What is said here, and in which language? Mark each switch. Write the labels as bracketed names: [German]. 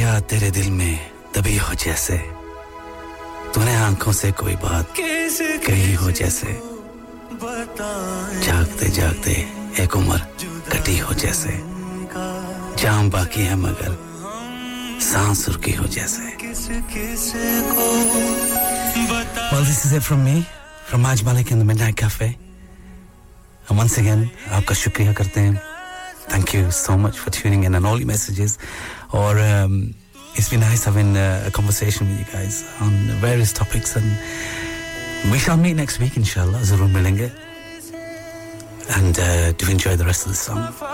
[Hindi] तेरे दिल में दबी हो जैसे तूने आंखों से कोई बात कही हो जैसे जागते जागते एक उम्र कटी हो जैसे जाम बाकी है मगर सांस रुकी हो जैसे. [English] Well, this is it from me, from Maj Malik in the Midnight Cafe. And once again, [Hindi] आपका शुक्रिया करते हैं. [English] Thank you so much for tuning in and all your messages. Or it's been nice having a conversation with you guys on various topics, and we shall meet next week, inshallah, [Hindi] Zarur Milenge. [English] And do enjoy the rest of the song.